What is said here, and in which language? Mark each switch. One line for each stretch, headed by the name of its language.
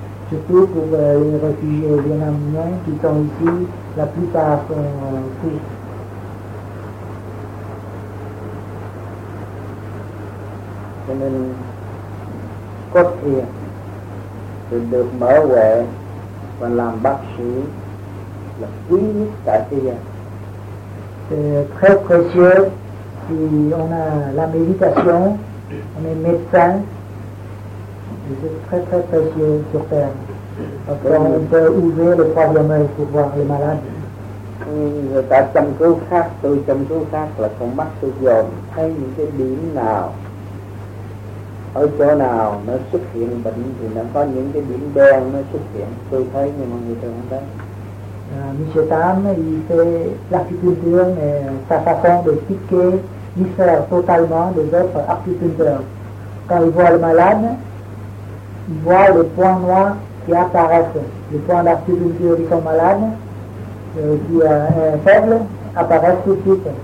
French: Surtout pour les réfugiés vietnamiens qui sont ici, la plupart sont ici.
Vietnamese: Cho nên có thiền thì được mở huệ và làm bác sĩ là quý nhất tại thiền.
French: C'est très précieux si on a la méditation, on est médecin, c'est très très précieux sur terre. Parce qu'on peut ouvrir le troisième œil pour voir les malades.
Vietnamese: Người ta chăm cứu khác, tôi chăm cứu khác là con mắt tôi dồn thấy những cái điểm nào ở chỗ nào nó xuất hiện bệnh thì nó có những cái điểm đen nó xuất hiện tôi thấy nhưng mà người ta không thấy.
French: Monsieur Tam, il fait l'acupuncture mais sa façon de piquer diffère totalement des autres acupuncteurs. Quand il voit le malade, il voit le point noir qui apparaît. Le point d'acupuncture de son malade, qui est faible, apparaît tout de suite.